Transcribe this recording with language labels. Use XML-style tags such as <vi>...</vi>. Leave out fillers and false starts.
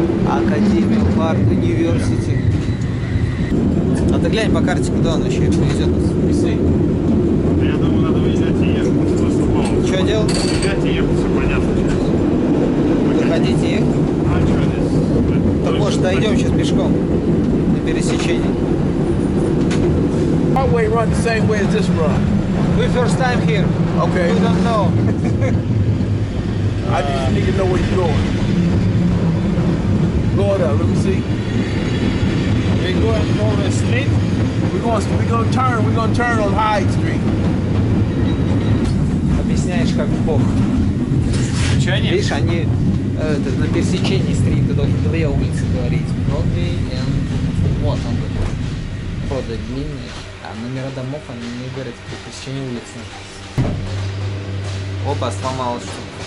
<ru>Академия, парк, университет. А ты глянь по карте, куда он еще привезет нас. Я думаю, надо выезжать и ехать. Что делать? Выезжать и ехать, все понятно сейчас. Выходите и ехать. А что здесь? Так может, дойдем выходить сейчас пешком на пересечении.</ru> <en>Our way run the same way as this run. We first time here. Okay. We don't know. I just need to know where you're going. Florida, let me see. We're going to the street. We're going to turn on High Street.</en> <ru>Объясняешь, как бог. Ничего нет. Видишь, они это, на пересечении стрит, две улицы говорить.</ru> <en>Broadway and</en> <ru>вот он такой. Проды длинные. А номера домов они не говорят при пересечении улиц. Опа, сломалось что-то.</ru>